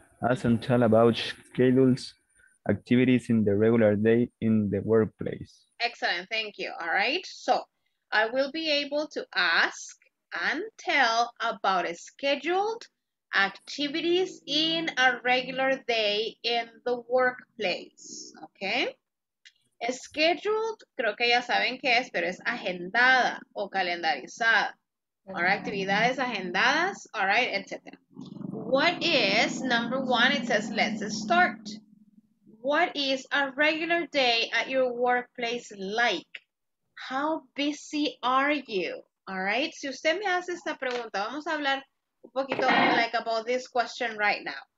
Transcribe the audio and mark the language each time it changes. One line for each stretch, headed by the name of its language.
English: Ask and tell about schedules, activities in the regular day in the workplace. Excellent, thank you. All right, so I will be able to ask and tell about scheduled activities in a regular day in the workplace, okay?
Spanish: Scheduled, creo que ya saben qué es, pero es agendada o calendarizada.
English: All right,
Spanish: actividades agendadas, all right, etc.
English: What is, number one, it says let's start. What is a regular day at your workplace like? How busy are you? All right.
Spanish: Si usted me hace esta pregunta, vamos a hablar un poquito
English: like about this question right now.